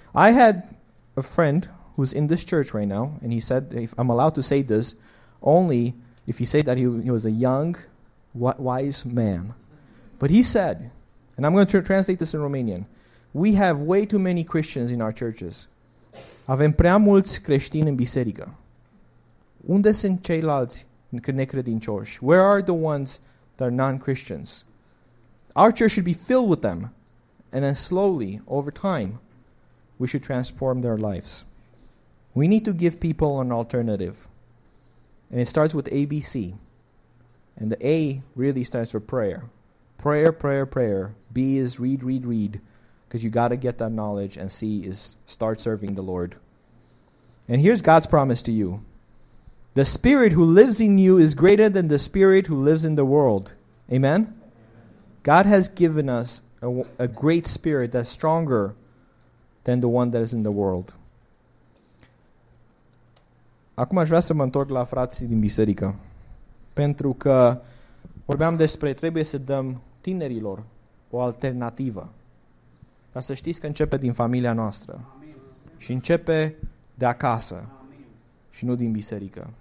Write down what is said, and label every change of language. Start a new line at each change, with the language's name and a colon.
English: I had a friend who's in this church right now, and he said, if I'm allowed to say this, only if you say that he was a young, wise man. But he said, and I'm going to translate this in Romanian, we have way too many Christians in our churches.
Romanian: Avem prea mulți creștini în biserică. Unde sunt ceilalți necredincioși?
English: Where are the ones that are non-Christians? Our church should be filled with them. And then slowly, over time, we should transform their lives. We need to give people an alternative. And it starts with ABC. And the A really stands for prayer. Prayer, prayer, prayer. B is read, read, read. Because you got to get that knowledge. And C is start serving the Lord. And here's God's promise to you. The Spirit who lives in you is greater than the Spirit who lives in the world. Amen? God has given us a great Spirit that's stronger than the one that is in the world.
Romanian: Acum aș vrea să mă întorc la frații din biserică. Pentru că vorbeam despre trebuie să dăm tinerilor o alternativă. Dar să știți că începe din familia noastră. Amin. Și începe de acasă. Amin. Și nu din biserică.